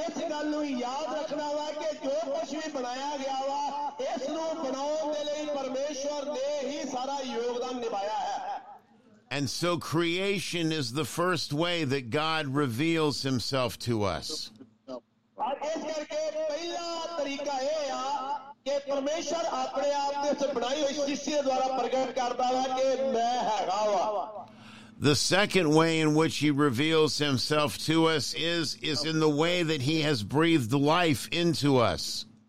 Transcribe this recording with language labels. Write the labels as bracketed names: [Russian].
[Punjabi] ਗੱਲ ਨੂੰ ਯਾਦ ਰੱਖਣਾ ਵਾ ਕਿ ਜੋ ਕੁਛ ਵੀ ਬਣਾਇਆ ਗਿਆ ਵਾ ਇਸ ਨੂੰ ਬਣਾਉਣ ਦੇ ਲਈ ਪਰਮੇਸ਼ਵਰ ਨੇ ਹੀ ਸਾਰਾ ਯੋਗਦਾਨ ਨਿਭਾਇਆ ਹੈ. [English] And so creation is the first way that God reveals himself to us. [Punjabi] ਇਸ ਕਰਕੇ ਪਹਿਲਾ ਤਰੀਕਾ ਇਹ ਆ ਕਿ ਪਰਮੇਸ਼ਵਰ ਆਪਣੇ ਆਪ ਦੇ ਉੱਤੇ ਬਣਾਈ ਹੋਈ ਸ਼ੀਸ਼ੀ ਦੁਆਰਾ ਪ੍ਰਗਟ ਕਰਦਾ ਵਾ ਕਿ ਮੈਂ ਹੈਗਾ ਵਾ. [English] The second way in which he reveals himself to us is in the way that he has breathed life into us.